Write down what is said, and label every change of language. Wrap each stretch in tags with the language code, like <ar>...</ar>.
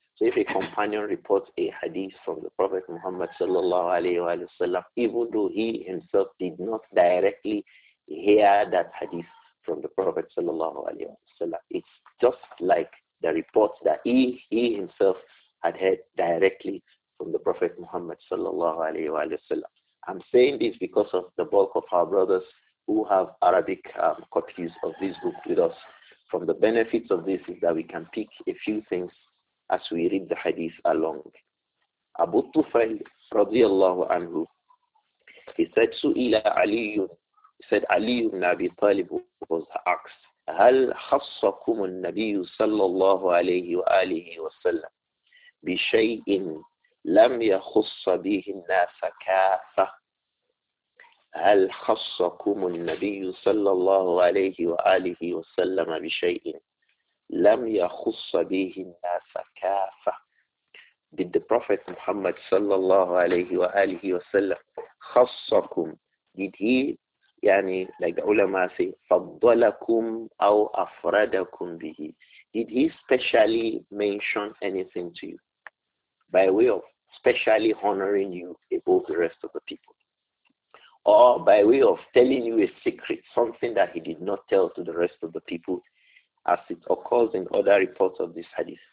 <en>So if a companion reports a hadith from the Prophet Muhammad sallallahu alayhi wa sallam, even though he himself did not directly hear that hadith from the Prophet sallallahu alayhi wa sallam, it's just like the reports that he himself had heard directly from the Prophet Muhammad sallallahu alayhi wa sallam. I'm saying this because of the bulk of our brothers who have Arabic copies of this book with us. From the benefits of this is that we can pick a few things as we read the hadith along. Abu Tufail radiyallahu anhu, he said, Su'ila Aliyu, he said, Ali ibn Abi Talib was asked,</en> <ar>هل خصكم النبي صلى الله عليه وآله وسلم بشيء لم يخص به الناس كافة؟ هل خصكم النبي صلى الله عليه وآله وسلم بشيء لم يخص به الناس كافة؟</ar> <en>Did the Prophet Muhammad</en> <ar>صلى الله عليه وآله وسلم خصكم؟</ar> <en>Did he</en> <ar>يعني</ar> <en>like ulama say</en> <ar>فضلكم أو أفردكم به.</ar> <en>Did he specially mention anything to you by way of specially honoring you above the rest of the people, or by way of telling you a secret, something that he did not tell to the rest of the people, as it occurs in other reports of this hadith?</en>